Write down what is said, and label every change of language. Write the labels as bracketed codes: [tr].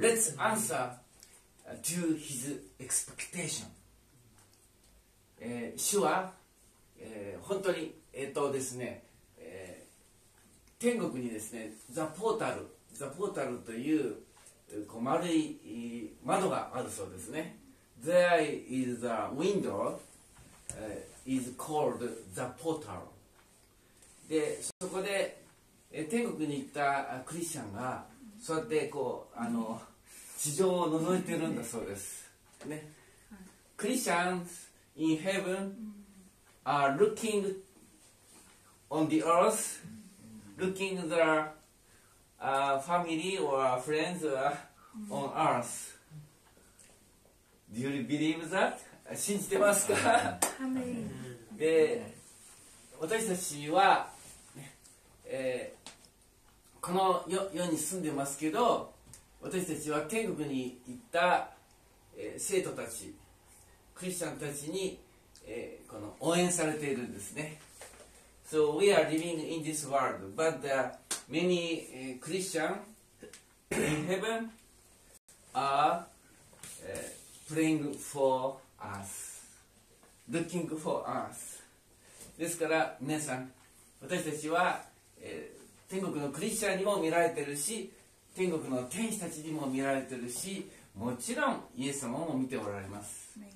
[en] Let's answer to His expectation. [ja] 主は、本当に、ですね、天国にですね、ザポータルという、こう丸い窓があるそうですね。 [en] There is a window, is called the portal. [ja] で、そこで、天国に行ったクリスチャンが、そうやってこう、地上を覗いてるんだそうです。 [en] ね、クリスチャン、In heaven, are looking on the earth, looking the family or friends on earth. Do you believe that? [ja] 信じてますか？で、私たちは、この世に住んでますけど、私たちは天国に行った、生徒たち、クリスチャンたちに、この応援されているんですね。 [en] So we are living in this world, but many Christians in heaven are praying for us, looking for us. [ja] ですから皆さん、私たちは、天国のクリスチャンにも見られているし、天国の天使たちにも見られているし、もちろんイエス様も見ておられます。